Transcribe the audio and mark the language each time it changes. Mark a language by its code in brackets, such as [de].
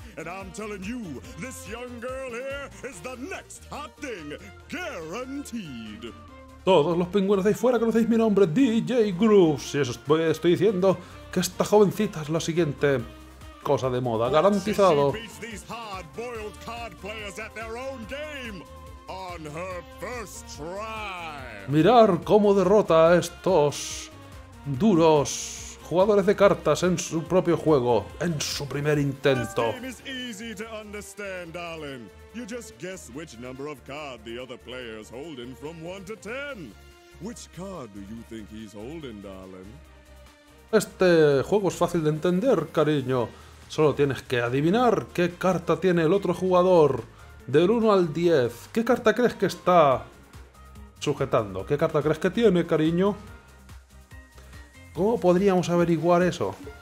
[en] And I'm telling you, this young girl here is the next hot thing, guaranteed. [es] Todos los pingüinos de ahí fuera conocéis mi nombre, DJ Grooves. Y eso estoy diciendo, que esta jovencita es la siguiente cosa de moda, garantizado. [en] She beats these hard-boiled card players at their own game. On her first try. [es] Mirar cómo derrota a estos duros jugadores de cartas en su propio juego, en su primer intento. [en] This game is easy to understand, darling. You just guess which number of card the other player is holding from 1 to 10. Which card do you think he's holding, darling? [es] Este juego es fácil de entender, cariño. Solo tienes que adivinar qué carta tiene el otro jugador. Del 1 al 10, ¿qué carta crees que está sujetando? ¿Qué carta crees que tiene, cariño? ¿Cómo podríamos averiguar eso?